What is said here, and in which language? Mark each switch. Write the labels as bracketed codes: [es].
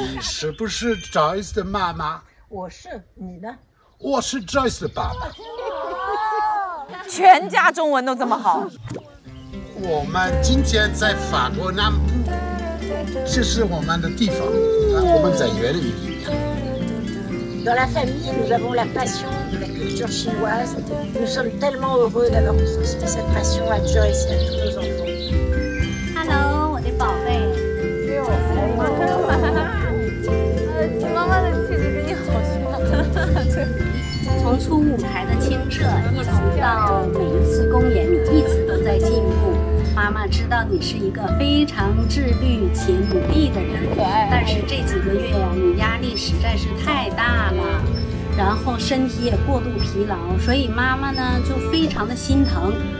[zh] 你是不是 Joyce 的妈妈？我是。你呢？我是 Joyce 的爸爸。全家中文都这么好。我们今天在法国南部，这是我们的地方，我们在园里面。 [fr] Dans la famille, nous avons la passion de la culture chinoise. Nous sommes tellement heureux d'avoir transmis cette passion à Joyce et à tous nos enfants. [zh] Hello, 我的宝贝。你妈妈的气质跟你好像。从初舞台的清澈，一直到每一次公演，你一直都在进步。妈妈知道你是一个非常自律且努力的人，但是这几个月呀，你压力实在是太大了，然后身体也过度疲劳，所以妈妈呢就非常的心疼。